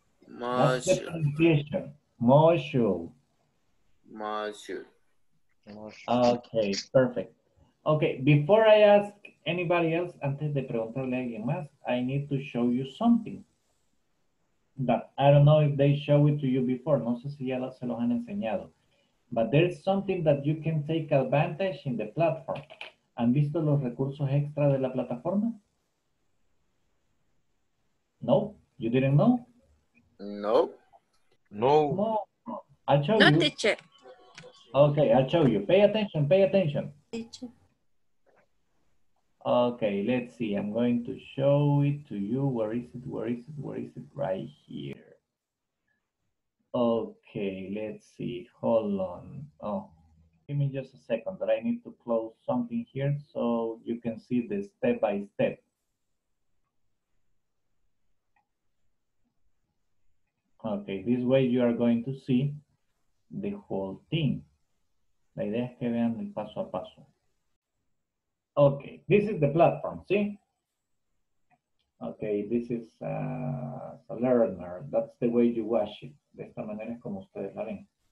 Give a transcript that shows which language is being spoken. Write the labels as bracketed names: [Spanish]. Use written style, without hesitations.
[English] Okay, perfect. Okay, before I ask anybody else, [Spanish] antes de preguntarle a alguien más, [English] I need to show you something. That I don't know if they show it to you before. [Spanish] No sé si ya se los han enseñado. [English] But there's something that you can take advantage in the platform. [Spanish] ¿Han visto los recursos extra de la plataforma? [English] No, you didn't know? No. I'll show you. No, teacher. Okay, I'll show you. Pay attention. Teacher. Okay, let's see. I'm going to show it to you. Where is it? Right here. Okay, let's see. Hold on. Oh, give me just a second. But I need to close something here so you can see the step by step. Okay, this way you are going to see the whole thing. [Spanish] La idea es que vean el paso a paso. [English] Okay, this is the platform, see? Okay, this is a learner. That's the way you watch it. [Spanish] De esta manera es como ustedes la ven.